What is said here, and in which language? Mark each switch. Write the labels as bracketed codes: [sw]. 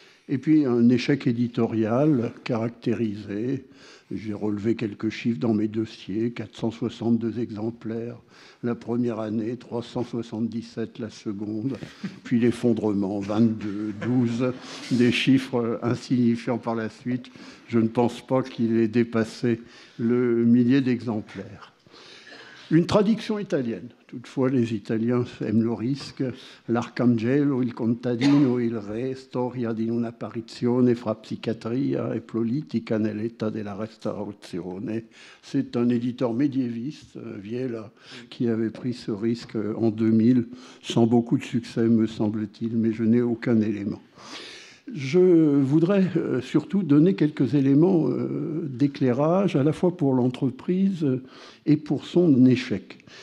[fr] Et puis un échec éditorial caractérisé, j'ai relevé quelques chiffres dans mes dossiers, 462 exemplaires la première année, 377 la seconde, puis l'effondrement, 22, 12, des chiffres insignifiants par la suite. Je ne pense pas qu'il ait dépassé le millier d'exemplaires. Une traduction italienne. Toutefois, les Italiens aiment le risque. [it] L'Arcangelo, il contadino, il re, storia di una apparizione fra psichiatria e politica nell'età della restaurazione. [fr] C'est un éditeur médiéviste, Viella, qui avait pris ce risque en 2000, sans beaucoup de succès, me semble-t-il, mais je n'ai aucun élément. Je voudrais surtout donner quelques éléments d'éclairage, à la fois pour l'entreprise et pour son échec.